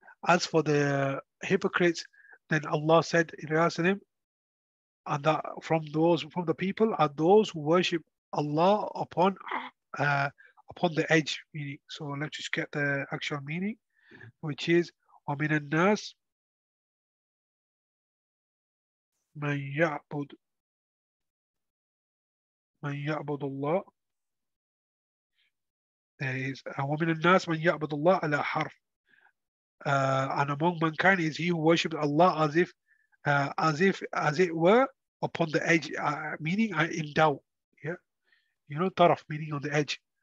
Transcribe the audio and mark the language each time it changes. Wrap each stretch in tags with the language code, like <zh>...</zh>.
<en>As for the hypocrites, then Allah said in regards to them, and that from the people are those who worship Allah upon the edge. Meaning, so let's just get the actual meaning, which is</en> <ar>ومن الناس من يعبد الله.</ar> <en>There is</en> <ar>ومن الناس من يعبد الله على حرف.</ar> <en>And among mankind is he who worships Allah as it were upon the edge, meaning in doubt. Yeah, طرف meaning on the edge.</en>